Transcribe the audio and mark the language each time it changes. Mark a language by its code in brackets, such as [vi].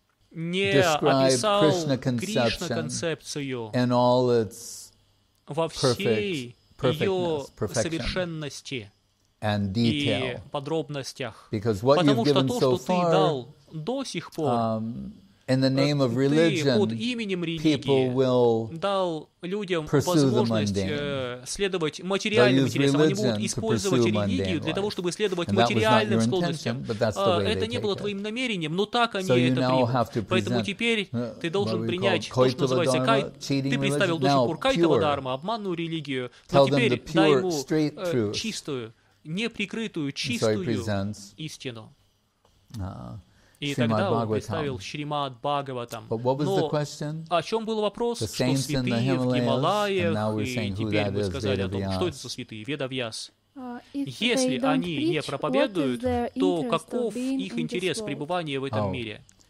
[ru] не описал Кришна-концепцию во всей ее совершенности и подробностях. Потому что то, что ты дал до сих пор, [en] In the name of religion, people will pursue the mundane. They'll use religion to pursue mundane life. And that was not your intention, but that's the way they take it. So you now have to present what we call Kaitava Dharma, cheating religion, now pure. Tell them the pure, straight truth. [ru] Неприкрытую, чистую истину. И тогда он представил Шримад Бхагаватам. Но о чем был вопрос? Что святые в Гималаях? И теперь мы сказали о том, что это за святые, Ведавьяс. Если они не проповедуют, то каков их интерес пребывания в этом мире?